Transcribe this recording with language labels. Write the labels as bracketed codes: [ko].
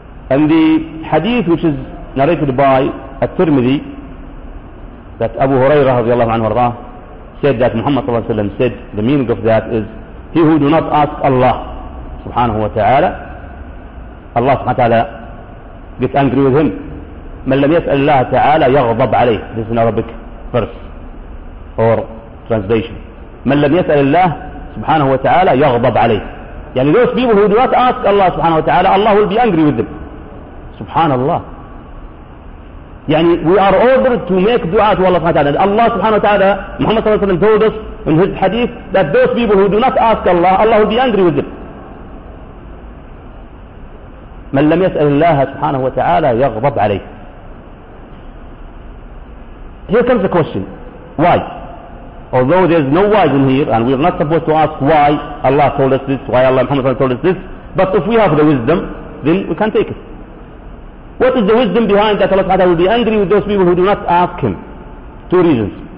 [en] And the hadith which is narrated by At-Tirmidhi, that Abu Huraira [ar] رضي الله عنه وارضاه [en] said that Muhammad [ar] صلى الله عليه وسلم [en] said, the meaning of that is, he who do not ask Allah [ar] سبحانه وتعالى, [en] Allah سبحانه وتعالى get angry with him. [ar] من لم يسأل الله تعالى يغضب عليه. [en] This is an Arabic verse or translation. [ar] من لم يسأل الله سبحانه وتعالى يغضب عليه. [en] يعني those people who do not ask Allah سبحانه وتعالى, Allah will be angry with them. [ar] سبحان الله. [en] يعني we are ordered to make dua to Allah [ar] سبحانه وتعالى. [en] Allah سبحانه وتعالى, محمد [ar] صلى الله عليه وسلم [en] told us in his hadith that those people who do not ask Allah, Allah will be angry with them. [ar] من لم يسأل الله سبحانه وتعالى يغضب عليه. [en] Here comes the question, why? Although there is no why in here, and we are not supposed to ask why Allah told us this, why Allah Muhammad told us this, but if we have the wisdom, then we can take it. What is the wisdom behind that Allah will be angry with those people who do not ask him? Two reasons.